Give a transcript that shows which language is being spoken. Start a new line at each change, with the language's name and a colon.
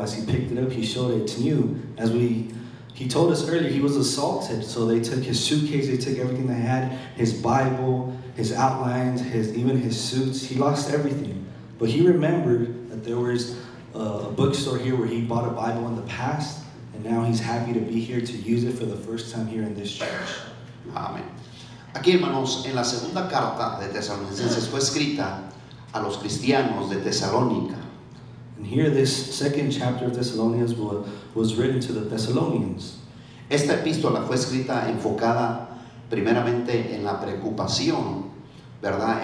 English: As he picked it up, he showed it to you. He told us earlier he was assaulted, so they took his suitcase, they took everything they had, his Bible, his outlines, even his suits. He lost everything. But he remembered that there was a bookstore here where he bought a Bible in the past, and now he's happy to be here to use it for the first time here in this church. Amen.
Spanish: Aquí, hermanos, en la segunda carta de Tesalonicenses fue escrita a los cristianos de Tesalónica.
English: And here this second chapter of Thessalonians was written to the Thessalonians.
Spanish: Esta epístola fue escrita enfocada primeramente en la preocupación, ¿verdad?